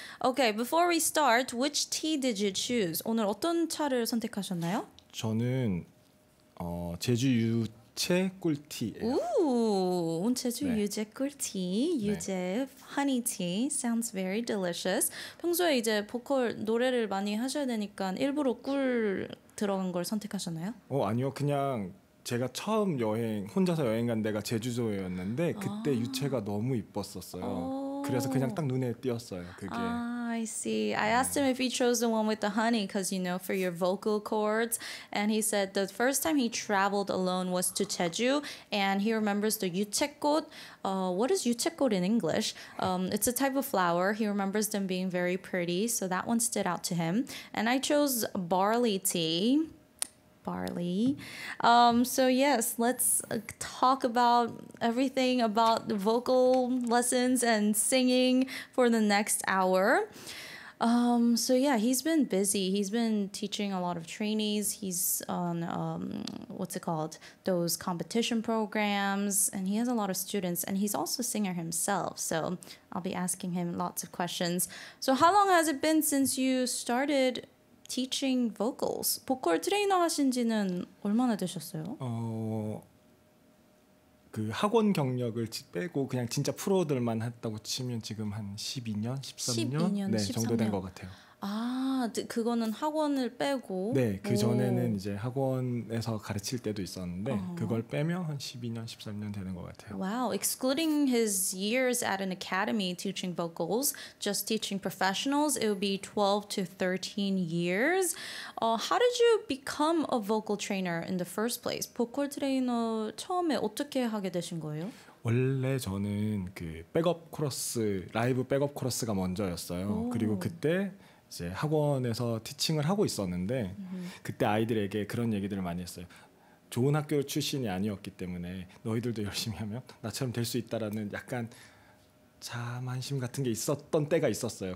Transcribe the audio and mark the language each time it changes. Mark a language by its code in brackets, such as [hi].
[en] Okay, before we start, which tea did you choose? [ko] 오늘 어떤 차를 선택하셨나요? 저는 제주 유채 꿀티예요. 오, 제주 네. 유채 꿀티, 유채 네. [en] honey tea sounds very delicious. [ko] 평소에 이제 보컬 노래를 많이 하셔야 되니까 일부러 꿀 들어간 걸 선택하셨나요? 아니요, 그냥. 제가 처음 여행 혼자서 여행 간 데가 제주도였는데 그때 유채가 너무 이뻤었어요. 그래서 그냥 딱 눈에 띄었어요. 그게. [en] I see. I asked him if he chose the one with the honey because, you know, for your vocal cords. And he said the first time he traveled alone was to Jeju. And he remembers the 유채꽃. What is 유채꽃 in English? It's a type of flower. He remembers them being very pretty. So that one stood out to him. And I chose barley tea. Barley. So yes, let's talk about everything about the vocal lessons and singing for the next hour. So yeah, he's been busy. He's been teaching a lot of trainees. He's on, what's it called? Those competition programs. And he has a lot of students. And he's also a singer himself. So I'll be asking him lots of questions. So how long has it been since you started teaching vocals? [ko] 보컬 트레이너 하신 지는 얼마나 되셨어요? 그 학원 경력을 빼고 그냥 진짜 프로들만 했다고 치면 지금 한 12년, 13년? 12년, 네, 13년. 정도 된 것 같아요. 아, 그거는 학원을 빼고? 네, 그 전에는 이제 학원에서 가르칠 때도 있었는데 그걸 빼면 한 12년, 13년 되는 것 같아요. [en] Wow, excluding his years at an academy teaching vocals, just teaching professionals, it would be 12 to 13 years. How did you become a vocal trainer in the first place? [ko] 보컬 트레이너 처음에 어떻게 하게 되신 거예요? 원래 저는 그 백업 코러스, 라이브 백업 코러스가 먼저였어요. 오. 그리고 그때 이제 학원에서 티칭을 하고 있었는데 그때 아이들에게 그런 얘기들을 많이 했어요. 좋은 학교 출신이 아니었기 때문에 너희들도 열심히 하면 나처럼 될 수 있다라는 약간 자만심 같은 게 있었던 때가 있었어요.